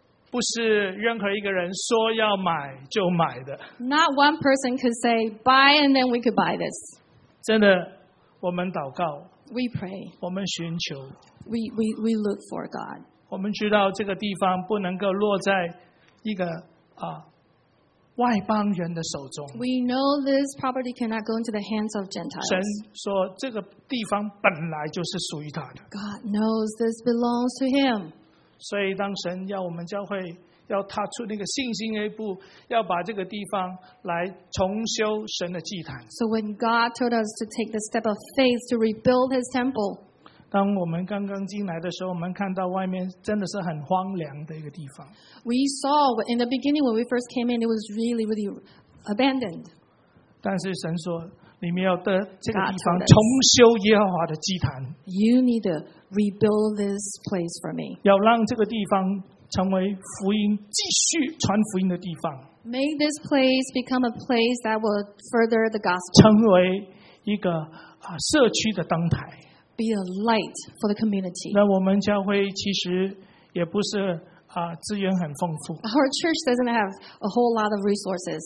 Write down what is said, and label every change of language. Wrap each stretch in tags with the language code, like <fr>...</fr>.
<zh>不是任何一个人说要买就买的。</zh> <en>Not one person could say buy and then we could buy this.</en> <zh>真的，我们祷告。</zh> <en>We pray.</en> <zh>我们寻求。</zh> <en>We look for God.</en> <zh>我们知道这个地方不能够落在一个啊。外邦人的手中。</zh> <en>We know this property cannot go into the hands of Gentiles.</en> <zh>神说这个地方本来就是属于他的。</zh> <en>God knows this belongs to him.</en> <zh>所以当神要我们教会要踏出那个信心的一步，要把这个地方来重修神的祭坛。</zh> <en>So when God told us to take the step of faith to rebuild his temple,</en> <zh>当我们刚刚进来的时候，我们看到外面真的是很荒凉的一个地方。</zh> <en>We saw in the beginning when we first came in, it was really, really abandoned.</en> <zh>但是神说，你们要在这个地方重修耶和华的祭坛。</zh> <en>You need to rebuild this place for me.</en> <zh>要让这个地方成为福音，继续传福音的地方。</zh> <en>May this place become a place that will further the gospel.</en> <zh>成为一个社区的灯台。</zh> <en>Be a light for the community.</en> <zh>那我们教会其实也不是资源很丰富。</zh> <en>Our church doesn't have a whole lot of resources.</en>